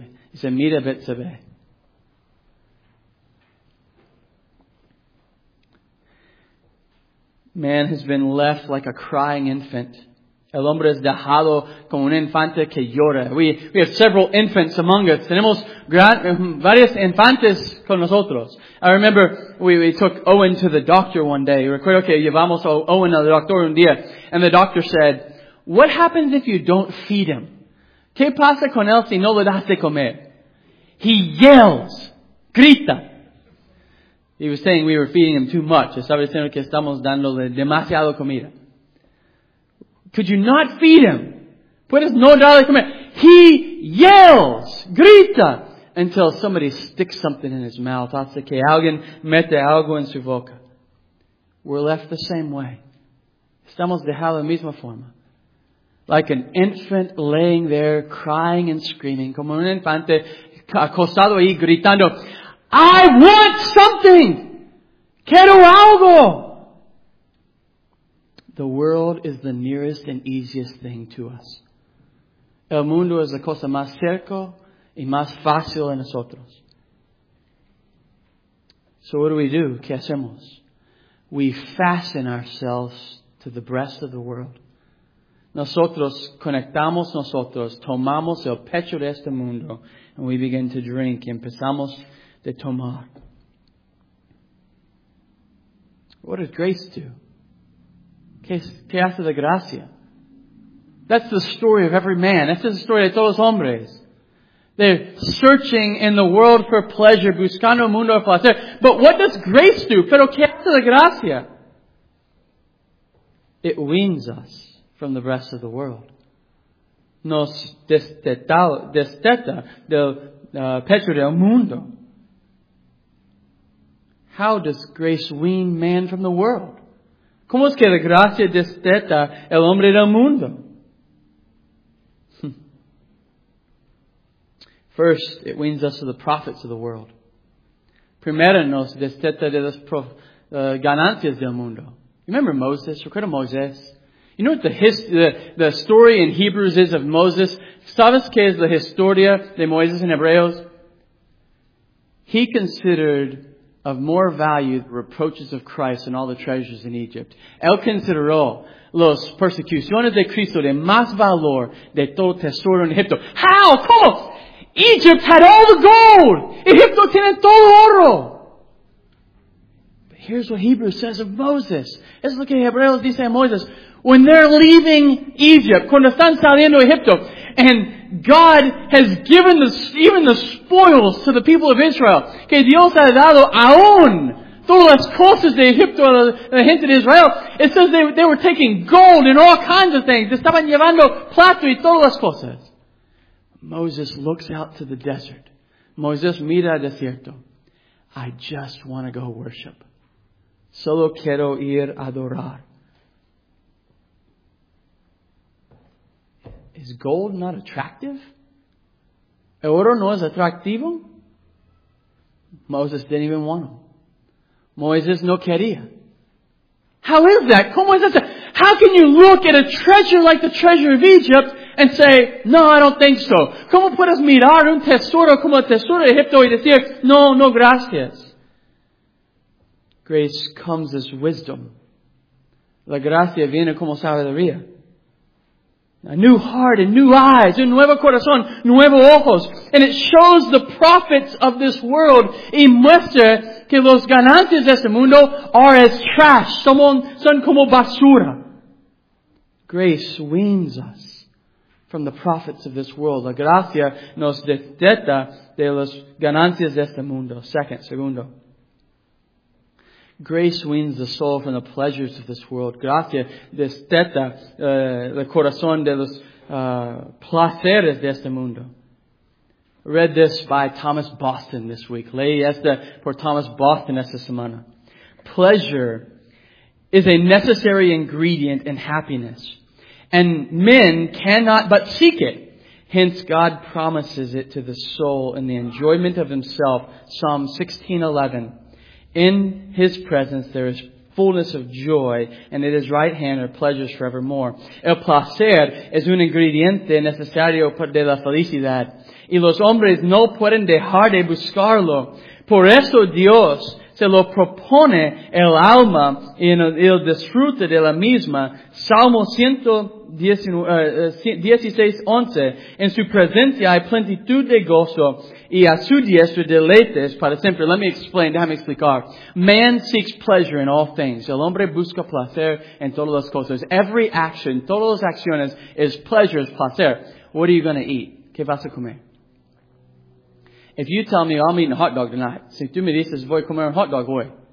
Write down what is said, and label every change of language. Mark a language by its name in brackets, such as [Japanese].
[English] He said, mira Bathsheba. Man has been left like a crying infant. [Spanish] El hombre es dejado como un infante que llora. [English] We have several infants among us. [Spanish] Tenemos varios infantes con nosotros. [English] I remember we took Owen to the doctor one day. [Spanish] Recuerdo que llevamos a Owen al doctor un día. [English] And the doctor said, "What happens if you don't feed him? [Spanish] ¿Qué pasa con él si no le das de comer? [English] He yells, [Spanish] grita." [English] He was saying we were feeding him too much. [Spanish] Estaba diciendo que estamos dándole demasiado comida. [English] Could you not feed him? [Spanish] Puedes no darle comer. [English] He yells, [Spanish] grita, [English] until somebody sticks something in his mouth. [Spanish] Hasta que alguien mete algo en su boca. [English] We're left the same way. [Spanish] Estamos dejados de la misma forma. [English] Like an infant laying there, crying and screaming. [Spanish] Como un infante acostado ahí, gritando, [English] "I want something! [Spanish] Quiero algo!" [English] The world is the nearest and easiest thing to us. [Spanish] El mundo es la cosa más cerca y más fácil en nosotros. [English] So what do? [Spanish] ¿Qué hacemos? [English] We fasten ourselves to the breast of the world. [Spanish] Nosotros conectamos nosotros, tomamos el pecho de este mundo, [English] and we begin to drink, [Spanish] y empezamos de tomar. [English] What does grace do? [Spanish] ¿Qué hace la gracia? [English] That's the story of every man. That's the story [Spanish] de todos los hombres. [English] They're searching in the world for pleasure, [Spanish] buscando el mundo de placer. [English] But what does grace do? [Spanish] Pero ¿qué hace la gracia? [English] It weans us from the rest of the world. [Spanish] Nos desteta del pecho del mundo. [English] How does grace wean man from the world? [Spanish] ¿Cómo es que la gracia desteta el hombre del mundo? [English] First, it weans us to the profits of the world. [Spanish] Primero, nos desteta de las ganancias del mundo. [English] Remember Moses? [Spanish] Recuerda Moses? [English] You know what the story in Hebrews is of Moses? [Spanish] ¿Sabes qué es la historia de Moisés en Hebreos? [English] He considered of more value the reproaches of Christ and all the treasures in Egypt. [Spanish] Él consideró los persecuciones de Cristo de más valor de todo tesoro en Egipto. [English] How? [Spanish] ¿Cómo? [English] Egypt had all the gold. [Spanish] Egipto tiene todo oro. [English] But here's what Hebrews says of Moses. [Spanish] Es lo que Hebreos dice a Moisés. [English] When they're leaving Egypt, [Spanish] cuando están saliendo Egipto, [English] and God has given even the spoils to the people of Israel. [Spanish] Que Dios ha dado aún todas las cosas de Egipto a la gente de Israel. [English] It says they were taking gold and all kinds of things. [Spanish] Estaban llevando plata y todas las cosas. [English] Moses looks out to the desert. [Spanish] Moses mira al desierto. [English] I just want to go worship. [Spanish] Solo quiero ir a adorar. [English] Is gold not attractive? [Spanish] ¿El oro no es atractivo? [English] Moses didn't even want them. [Spanish] Moses no quería. [English] How is that? [Spanish] ¿Cómo es eso? [English] How can you look at a treasure like the treasure of Egypt and say, no, I don't think so? [Spanish] ¿Cómo puedes mirar un tesoro como el tesoro de Egipto y decir, no, no gracias? [English] Grace comes as wisdom. [Spanish] La gracia viene como sabiduría. [English] A new heart and new eyes, [Spanish] un nuevo corazón, nuevo ojos. [English] And it shows the profits of this world [Spanish] y muestra que los ganancias de este mundo [English] are as trash, [Spanish] son como basura. [English] Grace weans us from the profits of this world. [Spanish] La gracia nos desteta de las ganancias de este mundo. Segundo. [English] Grace weans the soul from the pleasures of this world. [Spanish] Gracia desteta el corazón de los placeres de este mundo. [English] I read this by Thomas Boston this week. [Spanish] Leí esta por Thomas Boston esta semana. [English] Pleasure is a necessary ingredient in happiness, and men cannot but seek it. Hence God promises it to the soul in the enjoyment of himself. Psalm 16:11. In his presence there is fullness of joy, and at his right hand are pleasures forevermore. [Spanish] El placer es un ingrediente necesario de la felicidad, y los hombres no pueden dejar de buscarlo. Por eso Dios se lo propone el alma y el disfrute de la misma. Salmo 116:11. En su presencia hay plenitud de gozo y a su diestro deleites para siempre. [English] Let me explain. [Spanish] Déjame explicar. [English] Man seeks pleasure in all things. [Spanish] El hombre busca placer en todas las cosas. [English] Every action, [Spanish] todas las acciones [English] is pleasure, is placer. What are you going to eat? [Spanish] ¿Qué vas a comer? [English] If you tell me, I'm eating a hot dog tonight. [Spanish] Si tú me dices, voy a comer un hot dog hoy.